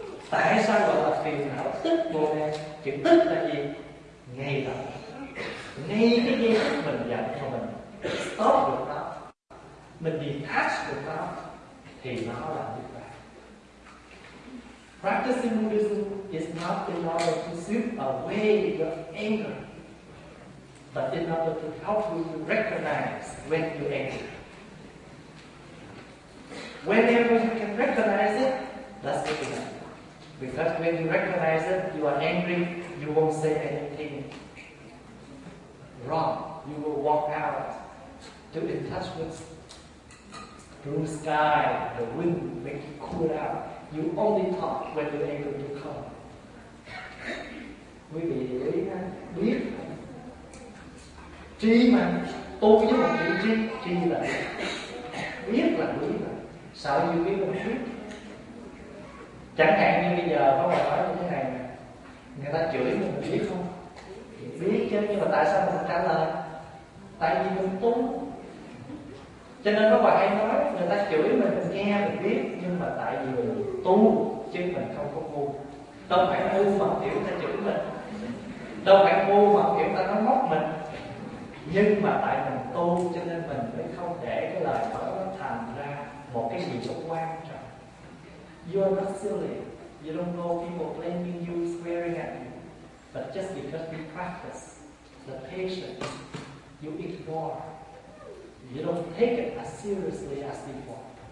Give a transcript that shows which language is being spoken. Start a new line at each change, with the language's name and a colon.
Vietnamese: Tại sao gọi là phiền não tức bồ đề? Chữ tức là gì? Ngay lập, ngay cái giây phút mình giận cho mình stop được nó, mình detach được nó, thì nó là niết bàn.
English: Practicing Buddhism is not in order to sweep away your anger, but in order to help you recognize when you anger. Whenever you can recognize it, that's good enough. Because when you recognize it, you are angry, you won't say anything wrong. You will walk out to in touch with blue sky, the wind make you cool down. You only talk when you're able to come.
Vietnamese: Quý vị biết trí mà tôi với một chữ trí, trí là biết là quý mà sao như biết là quý. Chẳng hạn như bây giờ có bài nói như thế này, người ta chửi mình biết không? Biết chứ, nhưng mà tại sao mình trả lời? Tại vì mình tốn. Cho nên có bài hay nói, người ta chửi mình nghe mình biết, nhưng mà tại vì mình tu chứ mình không có ngu. Đâu phải ngu mà kiểu người ta chửi mình, đâu phải ngu mà kiểu người ta nói móc mình. Nhưng mà tại mình tu cho nên mình mới không để cái lời nói nó thành ra một cái gì đó quan trọng.
English: You're not silly. You don't know people blaming you, swearing at you. But just because we practice the patience, you ignore. You don't take it as seriously as before.